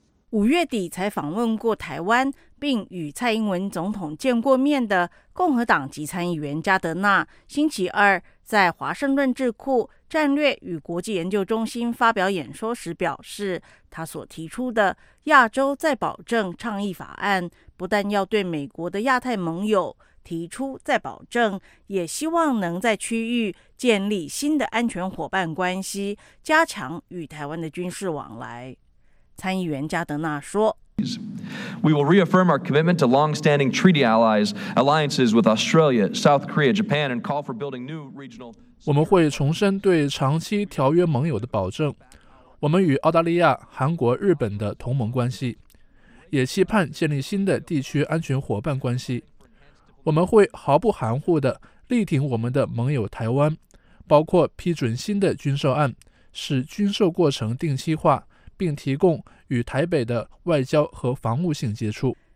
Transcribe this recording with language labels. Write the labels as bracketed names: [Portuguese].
[Chinese] 五月底才访问过台湾并与蔡英文总统见过面的共和党籍参议员加德纳，星期二在华盛顿智库战略与国际研究中心发表演说时表示，他所提出的亚洲再保证倡议法案不但要对美国的亚太盟友提出再保证，也希望能在区域建立新的安全伙伴关系，加强与台湾的军事往来。参议员加德纳说， [English] We will reaffirm our commitment to long-standing treaty allies, alliances with Australia, South Korea, Japan, and call for building new regional. [Chinese] 我们会重申对长期条约盟友的保证，我们与澳大利亚、韩国、日本的同盟关系，也期盼建立新的地区安全伙伴关系。我们会毫不含糊地力挺我们的盟友台湾，包括批准新的军售案，使军售过程定期化，并提供与台北的外交和防务性接触。